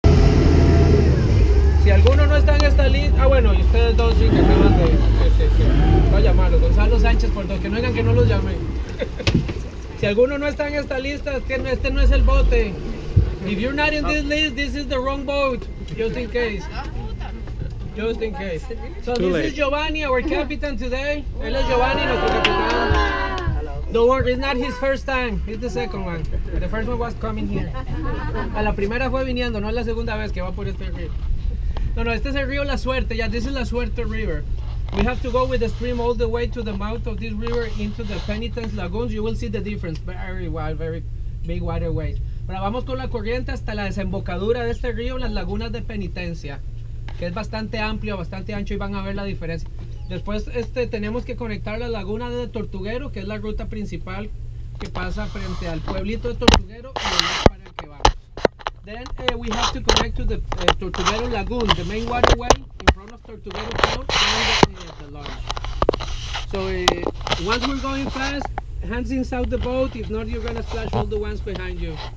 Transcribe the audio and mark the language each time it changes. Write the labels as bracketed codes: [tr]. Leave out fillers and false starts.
[es] alguno no está en esta lista, ah, bueno, y ustedes dos sí que acaban de voy a llamarlo, Gonzalo Sánchez, por que no digan que no los llamé. Si alguno no está en esta lista, este no es el bote. [en] If you're not in this list, this is the wrong boat. Just in case. Just in case. So this is Giovanni, our captain today. [es] Él es Giovanni, nuestro capitán. [en] Don't worry, it's not his first time, it's the second one. The first one was coming here. [es] A la primera fue viniendo, no es la segunda vez que va por este río. No, no, este es el río La Suerte, [en] yeah, this is La Suerte River. We have to go with the stream all the way to the mouth of this river into the Penitence Lagoons. You will see the difference, very wide, very big waterway. [es] Pero vamos con la corriente hasta la desembocadura de este río, las lagunas de penitencia, que es bastante amplio, bastante ancho, y van a ver la diferencia. Después tenemos que conectar la laguna de Tortuguero, que es la ruta principal que pasa frente al pueblito de Tortuguero y el lugar para el que vamos. [en] Then we have to connect to the Tortuguero Lagoon, the main waterway in front of Tortuguero Town and the launch. So once we're going fast, hands inside the boat, if not you're gonna splash all the ones behind you.